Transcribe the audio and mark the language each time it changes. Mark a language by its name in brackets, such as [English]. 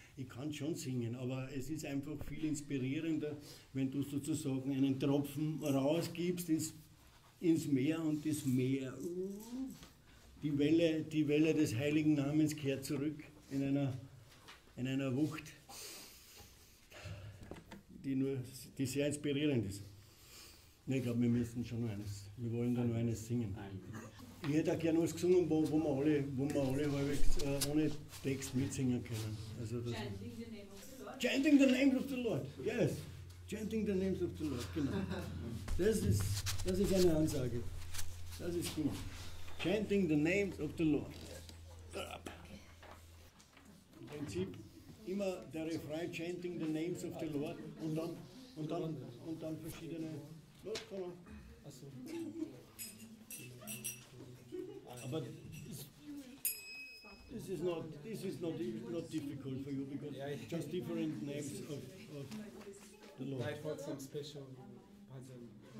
[German] Ich kann schon singen, aber es ist einfach viel inspirierender, wenn du sozusagen einen Tropfen rausgibst ins Meer und das Meer, die Welle des Heiligen Namens kehrt zurück in einer Wucht, die sehr inspirierend ist. Ich glaube, wir müssen schon noch eines. Wir wollen da noch eines singen. Ich hätte auch gerne was gesungen, wo wir alle halbwegs ohne Text mitsingen können. Also [English] das Chanting the Name of the Lord. Chanting the Name of the Lord, yes. [German] Chanting the Name of the Lord, genau. Das ist eine Ansage. Das ist gut. [English] Chanting the Name of the Lord. [German] Im Prinzip immer der Refrain Chanting the Name of the Lord und dann verschiedene. Los, komm mal. Achso. [English] Aber this is not difficult for you, because just different names of the Lord. I thought some special pattern.